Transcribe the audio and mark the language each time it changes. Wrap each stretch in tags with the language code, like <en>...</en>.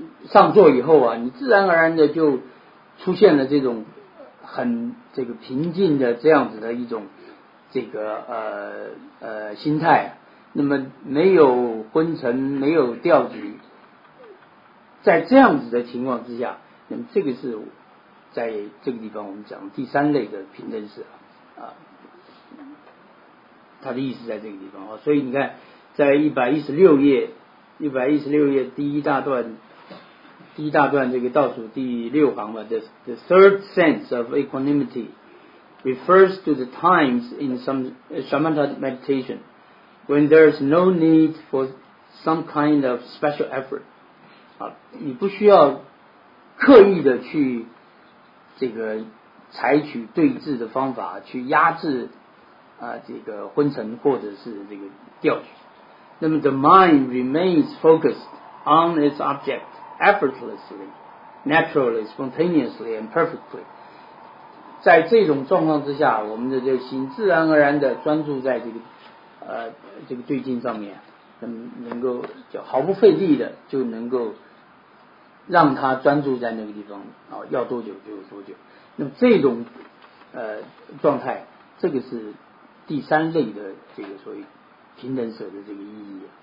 <zh>上座以后你自然而然的就出现了这种很这个平静的这样子的一种这个心态，那么没有昏沉没有调举，在这样子的情况之下，那么这个是在这个地方我们讲第三类的平等舍它的意思在这个地方所以你看在116页第一大段这个倒数第六行吧，</zh> <en>The third sense of equanimity refers to the times in some shamatha meditation when there is no need for some kind of special effort.</en> <zh>你不需要刻意的去这个采取对治的方法去压制这个昏沉或者是这个掉举。那么</zh> <en>the mind remains focused on its object effortlessly, naturally, spontaneously, and perfectly.</en> <zh>在这种状况之下，我们的这个心自然而然的专注在这个这个对境上面，能够就毫不费力的就能够让他专注在那个地方，要多久就多久。那么这种状态，这个是第三类的这个所谓平等舍的这个意义。</zh>